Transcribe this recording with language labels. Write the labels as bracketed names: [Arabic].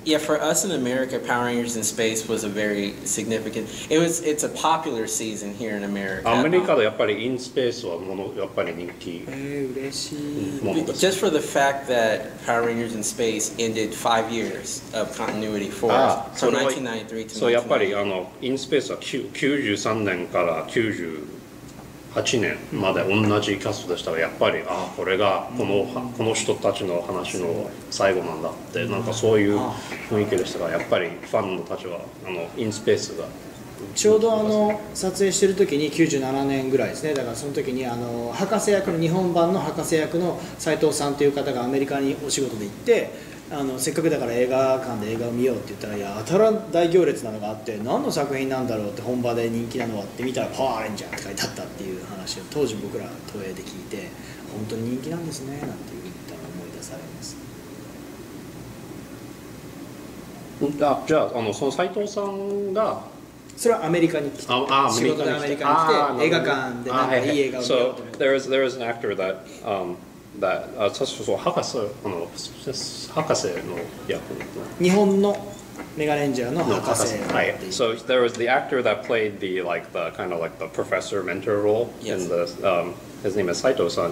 [English] Yeah, for us in America, Power Rangers in Space was a very significant. It's a popular season here in America. [Japanese] アメリカでやっぱり In Space はものやっぱり人気。嬉しい。 [English] Just for the fact that Power Rangers in Space ended 5 years of continuity for us. So 1993 to 1994. [Japanese] So やっぱりIn Space は93年から908年まで同じキャストでしたらやっぱりああこれがこの人たちの話の最後なんだってなんかそういう雰囲気でしたがやっぱりファンのたちはインスペースがちょうど撮影してる時に97年ぐらいですねだからその時に博士役の日本版の博士役の斉藤さんという方がアメリカにお仕事で行ってせっかくだから映画館で映画を見ようって言ったらやたら大行列なのがあって何の作品なんだろうって本場で人気なのはって見たらパワーレンジャーって書いてあったっていう話を当時僕ら東映で聞いて本当に人気なんですねなんて言ったら思い出されますじゃあその斉藤さんがそれはアメリカに来て、仕事でアメリカに来て、映画館でなんかいい映画を見ようと思って。 [English] So there is an actor that, that, so there was the actor that played the like the kind of like the professor mentor role in the his name is Saito-san.